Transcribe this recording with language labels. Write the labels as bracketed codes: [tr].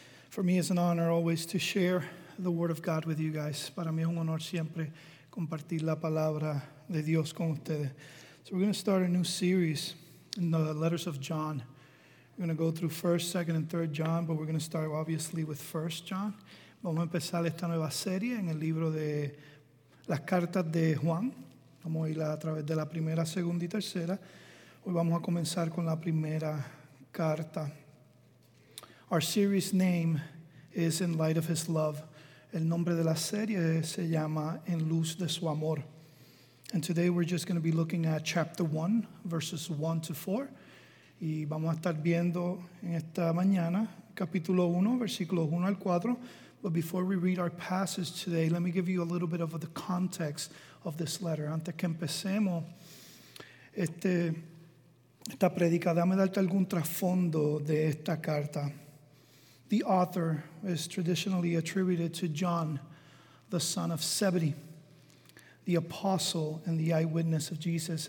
[en] For me, it's an honor always to share the word of God with you guys. [es] Para mí es un honor siempre compartir la palabra de Dios con ustedes. [en] So we're going to start a new series in the letters of John. We're going to go through 1st, 2nd, and 3rd John, but we're going to start obviously with 1st John. [es] Vamos a empezar esta nueva serie en el libro de las cartas de Juan. Vamos a ir a través de la primera, segunda y tercera. Hoy vamos a comenzar con la primera carta. [en] Our series name is In Light of His Love. [es] El nombre de la serie se llama En Luz de Su Amor. [en] And today we're just going to be looking at chapter 1, verses 1 to 4. [es] Y vamos a estar viendo en esta mañana, capítulo 1, versículos 1 al 4. [en] But before we read our passage today, let me give you a little bit of the context of this letter. [es] Antes que empecemos esta predica, dame darte algún trasfondo de esta carta. [en] The author is traditionally attributed to John, the son of Zebedee, the apostle and the eyewitness of Jesus.